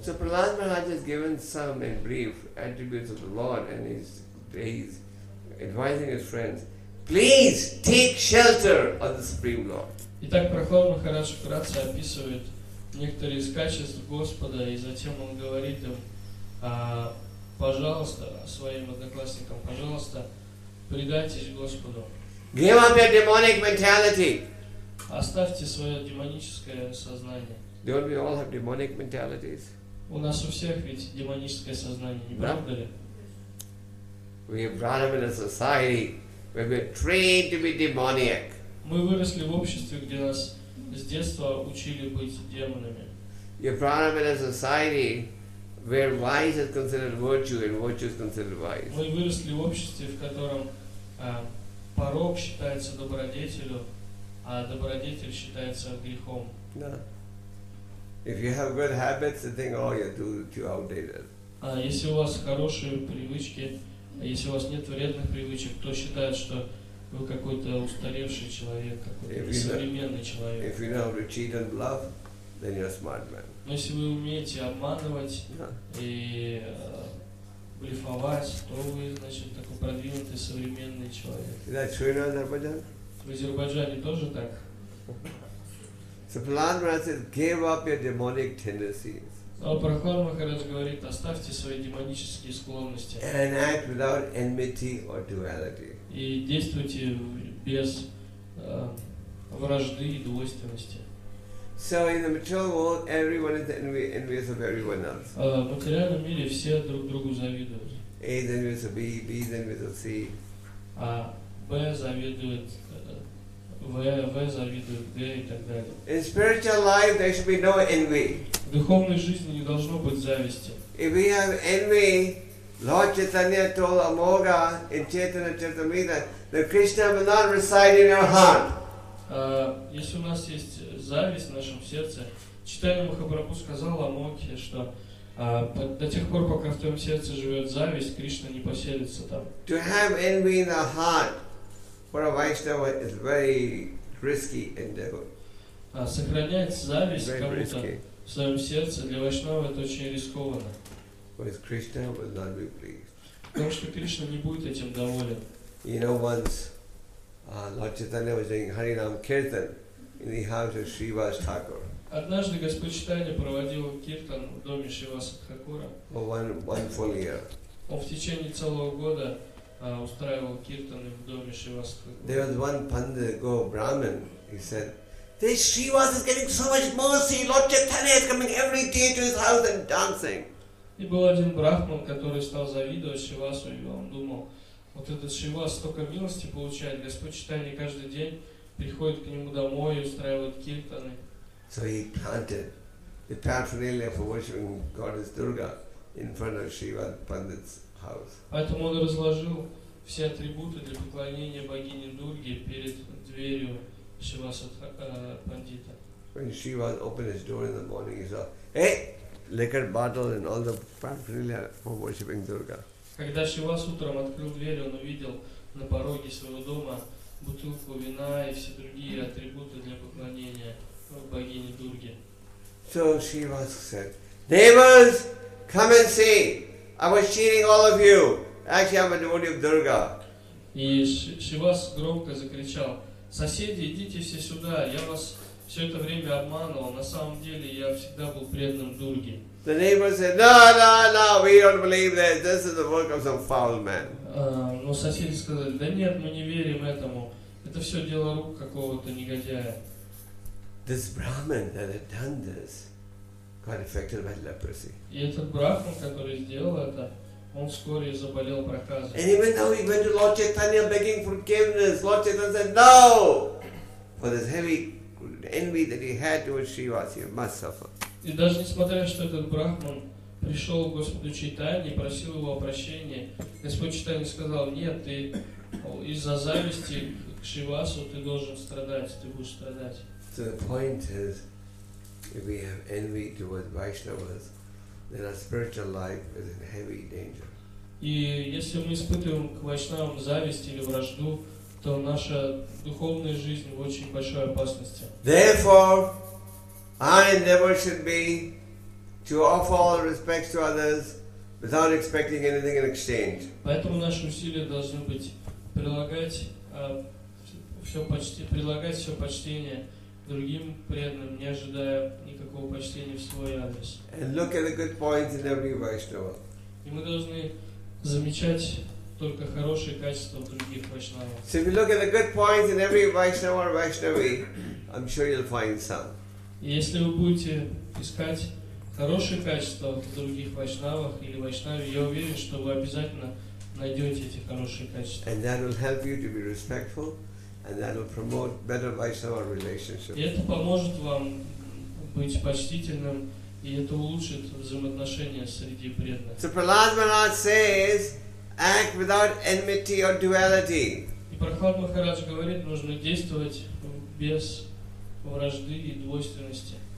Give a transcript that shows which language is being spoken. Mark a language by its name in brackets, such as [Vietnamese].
[English] So Prahlad Maharaj has given some, in brief, attributes of the Lord, and he's advising his friends, please take shelter of the Supreme Lord. [Russian] Итак, Прохлад Махарадж вкратце описывает некоторые из качеств Господа, и затем он говорит им, пожалуйста, своим одноклассникам, пожалуйста, предайтесь Господу. [English] Give up your demonic mentality. [Russian] Оставьте свое демоническое сознание. [English] Don't we all have demonic mentalities? [Russian] У нас у всех ведь демоническое сознание, не правда ли? [English] We have brought up in a society where we're trained to be demoniac. [Russian] Мы выросли в обществе, где нас с детства учили быть демонами. [English] We have brought up in a society where vice is considered virtue and virtue is considered vice. [Russian] Мы выросли в обществе, в котором порок считается добродетелью, а добродетель считается грехом. Да. [English] If you have good habits, you think, oh, you're too outdated. [Russian] Если у вас хорошие привычки, если у вас нет вредных привычек, то считают, что вы какой-то устаревший человек, какой-то современный человек. [English] If you know how to cheat and bluff, then you're a smart man. [Russian] Но если вы умеете обманывать и блефовать, то вы, значит, такой продвинутый современный человек. [English] Is that true in Azerbaijan? [Russian] В Азербайджане тоже так. [English] So Prahlad Maharaj says, give up your demonic tendencies. [Russian] Прохлад Махарадж говорит, оставьте свои демонические склонности. [English] And act without enmity or duality. [Russian] И действуйте без вражды и двойственности. [English] So in the material world, everyone is envious of everyone else. [Russian] В материальном мире все друг другу завидуют. [English] A is envious of B, B is envious of C. [Russian] B завидует В завидует Г и так далее. [English] In spiritual life, there should be no envy. [Russian] В духовной жизни не должно быть зависти. [English] If we have envy, Lord Chaitanya told Amoga in Chaitanya Charitamrita that Krishna will not reside in your heart. [Russian] Если у нас есть зависть в нашем сердце, Чайтанья Махапрабху сказал Амоге, что до тех пор, пока в твоем сердце живет зависть, Кришна не поселится там. [English] To have envy in our heart for a Vaishnava is very risky endeavor. [Russian] Сохранять зависть кому-то в своем сердце для Вайшнава это очень рискованно. [English] Because Krishna will not be pleased. [Russian] Потому что Кришна не будет этим доволен. [English] You know, once Lord Chaitanya was doing Harinam Kirtan in the house of Srivas Thakur. [Russian] Однажды Господь Читания проводил киртан в доме Шриваса Хакура. [English] For one full year. [Russian] Он в течение целого года устраивал киртаны в доме Шриваса. [English] There was one Pandit Go Brahmin. He said, "This Shrivas is getting so much mercy. Lord Chaitanya is coming every day to his house and dancing." [Russian] И был один брахман, который стал завидовать Шривасу, и он думал, вот этот Шривас столько милости получает, Господь Читания каждый день приходит к нему домой и устраивает киртаны. [English] So he planted the paraphernalia for worshiping Goddess Durga in front of Shiva Pandit's house. [Russian] Поэтому он разложил все атрибуты для поклонения богине Дурги перед дверью Шиваса Пандита. [English] When Shiva opened his door in the morning, he saw, hey, liquor bottle and all the paraphernalia for worshiping Durga. [Russian] Когда Шивас утром открыл дверь, он увидел на пороге своего дома бутылку вина и все другие атрибуты для поклонения богине Дурге. [English] So Shivas said, "Neighbors, come and see. I was cheating all of you. Actually, I'm a devotee of Durga." [Russian] И Шивас громко закричал: "Соседи, идите все сюда. Я вас все это время обманывал. На самом деле, я всегда был преданным Дурге." [English] The neighbors said, "No, we don't believe that. This is the work of some foul man." [Russian] Но соседи сказали: "Да нет, мы не верим этому. Это все дело рук какого-то негодяя." [English] This Brahmin that had done this got affected by leprosy. [Russian] И этот брахман, который сделал это, он вскоре заболел проказой. [English] And even though he went to Lord Chaitanya begging forgiveness, Lord Chaitanya said, "No, for this heavy envy that he had towards Shrivas, you must suffer." [Russian] И даже несмотря, что этот брахман пришел к Господу Чайтанье и просил его о прощении, Господь Чайтанье сказал: "Нет, ты из-за зависти к Шивасу ты должен страдать, ты будешь страдать." [English] So the point is, if we have envy towards Vaishnavas, then our spiritual life is in heavy danger. [Russian] И если мы испытываем к Вайшнавам зависть или вражду, то наша духовная жизнь в очень большой опасности. [English] Therefore, our endeavor should be to offer all respects to others without expecting anything in exchange. [Russian] Поэтому наши усилия должны быть прилагать все почтение другим преданным, не ожидая никакого почтения в свой адрес. [English] And look at the good points in every Vaishnava. [Russian] И мы должны замечать только хорошие качества в других вайшнавов. [English] So if you look at the good points in every Vaishnava or Vaishnavi, I'm sure you'll find some. [Russian] Если вы будете искать хорошие качества в других вайшнавах или вайшнаве, я уверен, что вы обязательно найдете эти хорошие качества. [English] And that will help you to be respectful, and that will promote better Vaishnava relationships. [Russian] И это поможет вам быть почтительным. И это улучшит взаимоотношения среди преданных. [English] So Prahlad Maharaj says, act without enmity or duality. [Russian] И Прахлад Махарадж говорит, нужно действовать без вражды и двойственности.